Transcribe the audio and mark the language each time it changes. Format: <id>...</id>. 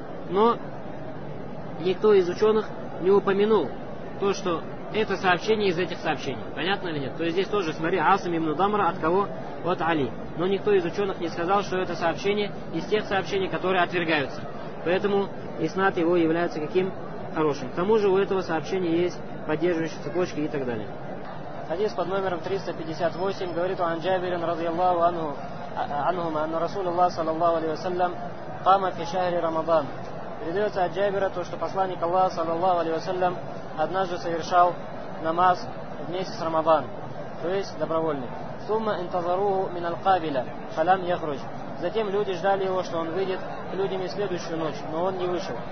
<ru>Но никто из ученых не упомянул то, что это сообщение из этих сообщений. Понятно или нет? То есть здесь тоже, смотри, Асим ибн Дамра от кого? От Али. Но никто из ученых не сказал, что это сообщение из тех сообщений, которые отвергаются. Поэтому иснад его является каким? Хорошим. К тому же у этого сообщения есть поддерживающие цепочки и так далее. Хадис под номером 358 говорит</ru> <ar>عن جابر رضي الله عنهما أن رسول الله صلى الله عليه وسلم قام في شهر رمضان.</ar> <ru>Передается от Джабира то, что посланник Аллаха صلى الله عليه وسلم однажды совершал намаз в месяц Рамадан, то есть добровольный.</ru> <ar>Сумма интазаруху мин аль-кабиля, фалам яхруч.</ar> <ru>Затем люди ждали его, что он выйдет к людям и следующую ночь, но он не вышел.</ru>